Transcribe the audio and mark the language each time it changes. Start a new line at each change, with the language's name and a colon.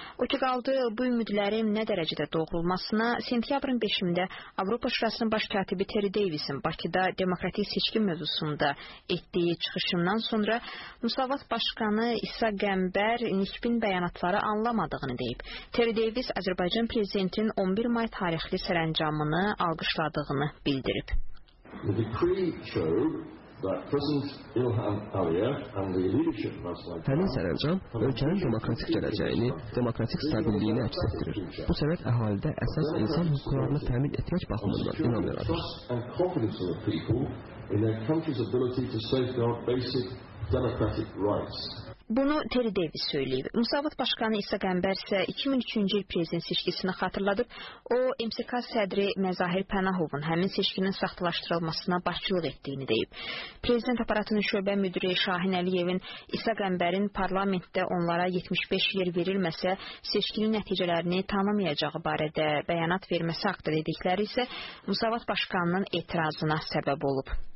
Azerbaijani: O ki, qaldı bu ümidlərin nə dərəcədə doğrulmasına, sentyabrın 5-də Avropa Şurasının baş katibi Terry Davisin Bakıda demokratik seçki mövzusunda etdiyi çıxışından sonra Müsavat Başqanı İsa Qəmbər nisbin bəyanatları anlamadığını deyib. Terry Davis Azərbaycan Prezidentinin 11 may tarixli sərəncamını alqışladığını bildirib.
English: The decree showed that President Ilham Aliyev and the leadership of
Azerbaijani: the Həmin sərəncam ölkənin demokratik gələcəyini, demokratik stabilliyini əks etdirir. Bu səbəb əhalidə əsas insan hüquqlarını təmin etmək baxımından inam yaradır.
English: In their country's ability to safeguard basic democratic rights.
Azerbaijani: Bunu Terry Davis söyləyib. Müsavat Başqanı İsa Qəmbər isə 2003-cü il prezident seçkisini xatırladıb, o, MSK sədri Məzahir Pənahovun həmin seçkinin saxtalaşdırılmasına başçılıq etdiyini deyib. Prezident aparatının şöbə müdiri Şahin Əliyevin İsa Qəmbərin parlamentdə onlara 75 yer verilməsə, seçkinin nəticələrini tanımayacağı barədə bəyanat verməsi haqda dedikləri isə Müsavat Başqanının etirazına səbəb olub.